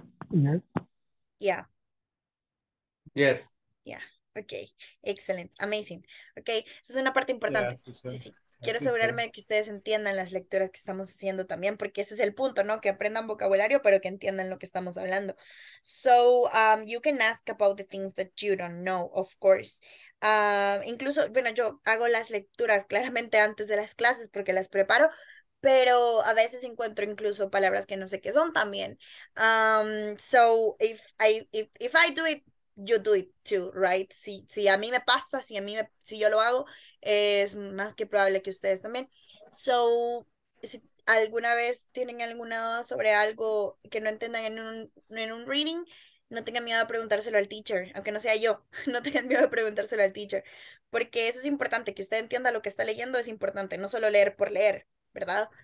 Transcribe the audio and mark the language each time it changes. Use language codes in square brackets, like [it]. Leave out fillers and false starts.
[en] Yes. Yeah. Yes. Yeah. Okay. Excellent. Amazing. Okay. [es] Esa es una parte importante. [en] Yeah, sí. [es] Quiero asegurarme que ustedes entiendan las lecturas que estamos haciendo también, porque ese es el punto, ¿no? Que aprendan vocabulario, pero que entiendan lo que estamos hablando. [en] So, you can ask about the things that you don't know, of course. [es] Incluso, bueno, yo hago las lecturas claramente antes de las clases porque las preparo, pero a veces encuentro incluso palabras que no sé qué son también. [en] So, if I do it, you do it too, right? [es] Si a mí me pasa, si yo lo hago, es más que probable que ustedes también. So, si alguna vez tienen alguna duda sobre algo que no entiendan en un reading, no tengan miedo de preguntárselo al teacher, aunque no sea yo, no tengan miedo de preguntárselo al teacher, porque eso es importante, que usted entienda lo que está leyendo es importante, no solo leer por leer, ¿verdad?